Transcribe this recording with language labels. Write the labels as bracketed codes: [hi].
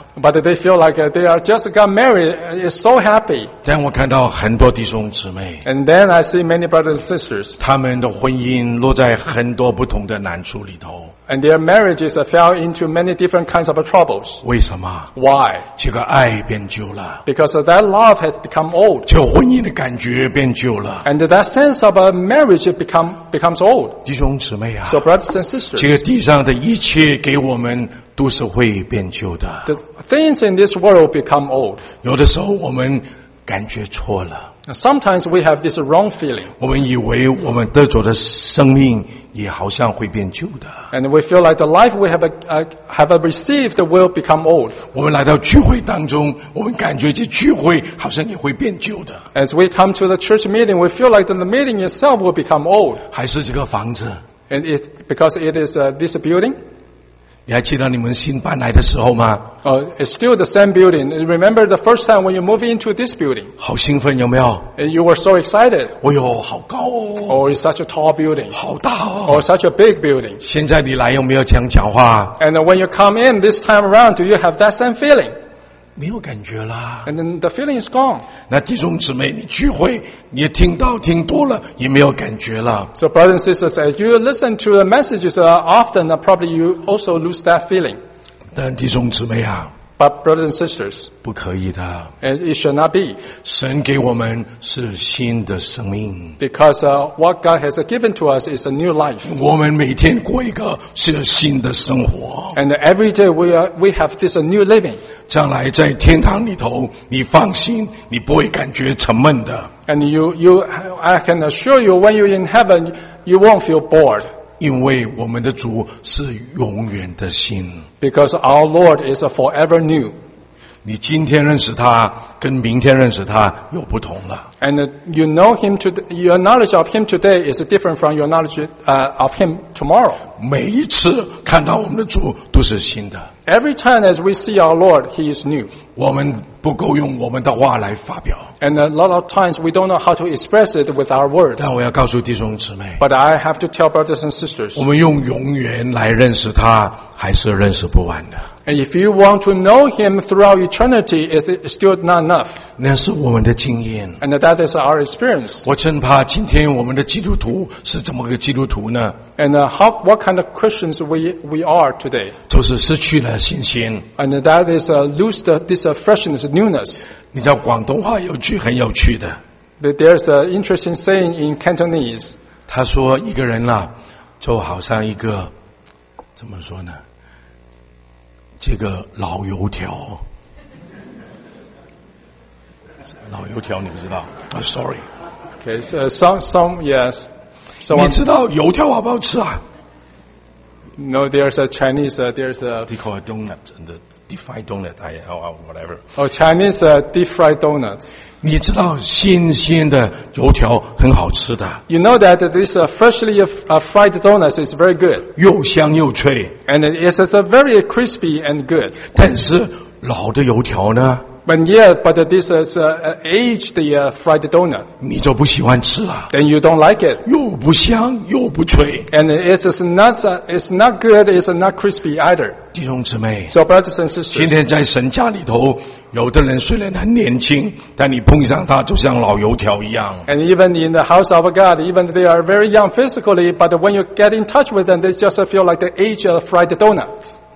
[en] But they feel like they are just got married. It's so happy. [zh] 但我看到很多弟兄姊妹。 [en] And then I see many brothers and sisters. [zh] 他们的婚姻落在很多不同的难处里头。 [en] And their marriages fell into many different kinds of troubles. [zh] 为什么? [en] Why? [zh] 这个爱变旧了。 [en] Because that love had become old. [zh] 这婚姻的感觉变旧了。 [en] And that sense of a marriage becomes old. [zh] 弟兄姊妹啊。 [en] So brothers and sisters. [zh] 这个地上的一切给我们都是会变旧的。 [en] The things in this world become old. [zh] 有的时候我们感觉错了。 [en] Sometimes we have this wrong feeling. [zh] 我们以为我们得着的生命也好像会变旧的。 [en] And we feel like the life we have received will become old. [zh] 我们来到聚会当中，我们感觉这聚会好像也会变旧的。 [en] As we come to the church meeting, we feel like the meeting itself will become old. [zh] 还是这个房子。 [en] And it, because it is this building. [zh] 你还记得你们新搬来的时候吗？ [en] It's still the same building. Remember the first time when you move into this building. [zh] 好兴奋有没有？ [en] You were so excited. [zh] 哎呦，好高哦。 [en] Oh, it's such a tall building. [zh] 好大哦。 [en] Oh, such a big building. [zh] 现在你来有没有这样讲话？ [en] And when you come in this time around, do you have that same feeling? [zh] 没有感觉啦。 [en] And then the feeling is gone. [zh] 那弟兄姊妹，你聚会，你听到听多了，也没有感觉了。 [en] So brothers and sisters, as you listen to the messages often, probably you also lose that feeling. [zh] 但弟兄姊妹啊。 [en] But brothers and sisters. [zh] 不可以的。 [en] And it should not be. [zh] 神给我们是新的生命。 [en] Because what God has given to us is a new life. [zh] 我们每天过一个是新的生活。 [en] And every day we have this new living. [zh] 将来在天堂里头，你放心，你不会感觉沉闷的。 [en] And you, I can assure you, when you're in heaven, you won't feel bored. [zh] 因为我们的主是永远的新。 [en] Because our Lord is forever new. [zh] 你今天认识他，跟明天认识他又不同了。 [en] And you know him today, your knowledge of him today is different from your knowledge of him tomorrow. [zh] 每一次看到我们的主都是新的。 [en] Every time as we see our Lord, He is new. [zh] 我们不够用我们的话来发表。 [en] And a lot of times we don't know how to express it with our words. [zh] 但我要告诉弟兄姊妹。 [en] But I have to tell brothers and sisters. [zh] 我们用永远来认识他，还是认识不完的。 [en] And if you want to know Him throughout eternity, it's still not enough. [zh] 那是我们的经验。 [en] And that is our experience. [zh] 我真怕今天我们的基督徒是怎么个基督徒呢？ [en] And what kind of Christians we are today? [zh] 就是失去了信心。 [en] And that is lose this freshness, newness. [zh] 你知道广东话有句很有趣的。 [en] There's an interesting saying in Cantonese. [zh] 他说一个人啊，就好像一个，怎么说呢？这个老油条。老油条你不知道。 [en] Oh, sorry. Okay, so some, yes. [zh] So、你知道油条好不好吃啊 [en] ？No, there's a Chinese. There's a. They call it donut and the deep fried donut. I or whatever. Oh, Chinese deep fried donuts. [zh] 你知道新鲜的油条很好吃的。 [en] You know that this freshly fried donuts is very good. [zh] 又香又脆。 [en] And it's a very crispy and good. [zh] 但是老的油条呢？ [en] But yeah, but this is aged fried donut. [zh] 你就不喜欢吃了。 [en] Then you don't like it. [zh] 又不香又不脆。 [en] And it's not good, it's not crispy either. [zh] 弟兄姊妹。 [en] So brothers and sisters. [zh] 今天在神家里头，有的人虽然很年轻，但你碰上他就像老油条一样。 [en] And even in the house of God, even they are very young physically, but when you get in touch with them, they just feel like they age fried donuts.